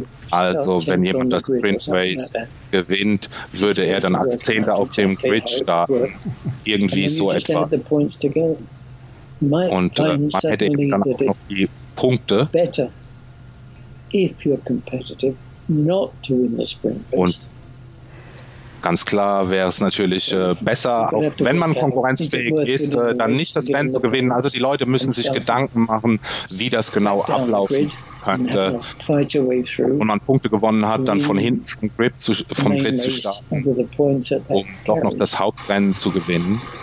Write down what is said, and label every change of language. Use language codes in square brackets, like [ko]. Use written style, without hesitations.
[de] Also, wenn jemand das Sprint Race gewinnt, würde er dann als Zehnter auf dem Grid starten, irgendwie so etwas. Und man hätte dann auch noch die Punkte. [en] If you're competitive, not to win the sprint. [de] Und Ganz klar wäre es natürlich besser, auch wenn man konkurrenzfähig ist, dann nicht das Rennen zu gewinnen. Also die Leute müssen sich Gedanken machen, wie das genau ablaufen könnte. Und man Punkte gewonnen hat, dann von hinten vom Grid zu starten, um doch noch das Hauptrennen zu gewinnen.